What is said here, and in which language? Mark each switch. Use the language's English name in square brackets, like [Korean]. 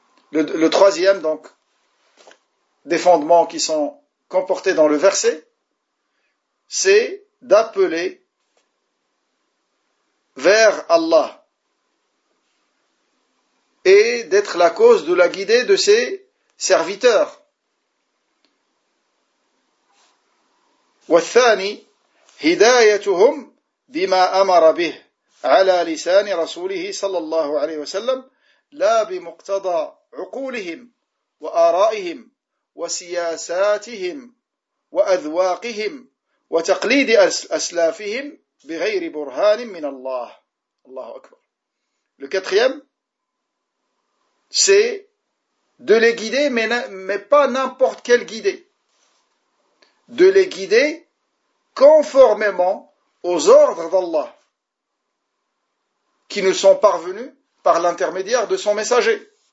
[French] Le troisième, donc, des fondements qui sont comportés dans le verset, c'est d'appeler vers Allah et d'être la cause de la guider de ses serviteurs. [Arabic] والثاني هدايتهم بما أمر به على لسان رسوله صلى الله عليه وسلم لا بمقتضى عقولهم وآرائهم وسياساتهم وأذواقهم وتقليد أسلافهم بغير برهان من الله. الله أكبر. [French] Le quatrième, c'est de les guider, mais pas n'importe quel guider. De les guider conformément aux ordres d'Allah qui nous sont parvenus par l'intermédiaire de son messager.